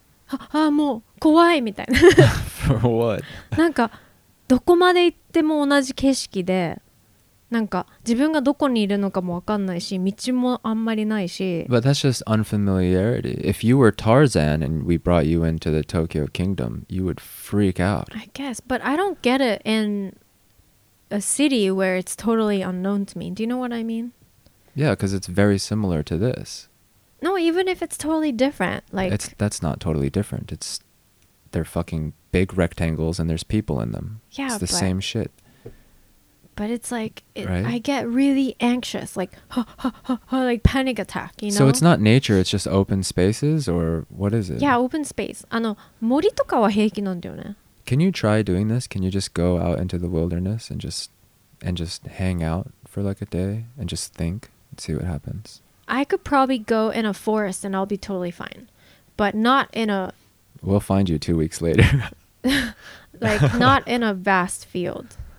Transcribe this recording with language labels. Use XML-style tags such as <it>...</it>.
<ja>ああもう怖いみたいな</ja> <en>For what?</en> <ja>なんかどこまで行っても同じ景色でなんか自分がどこにいるのかも分かんないし道もあんまりないし</ja> <en>But that's just unfamiliarity If you were Tarzan and we brought you into the Tokyo Kingdom You would freak out I guess But I don't get it in a city where it's totally unknown to me Do you know what I mean? Yeah, because it's very similar to this No, even if it's totally different, like... It's, that's not totally different. It's... They're fucking big rectangles and there's people in them. Yeah, It's the but, same shit. But it's like... It, right? I get really anxious, like... Ha, ha, ha, ha, like panic attack, you know? So it's not nature, it's just open spaces or what is it? Yeah, open space.</en> <ja>あの、森とかは平気なんだよね。</ja> <en>Can you try doing this? Can you just go out into the wilderness and just hang out for like a day and just think and see what happens? I could probably go in a forest and I'll be totally fine. But not in a... We'll find you 2 weeks later. like, not in a vast field.</en>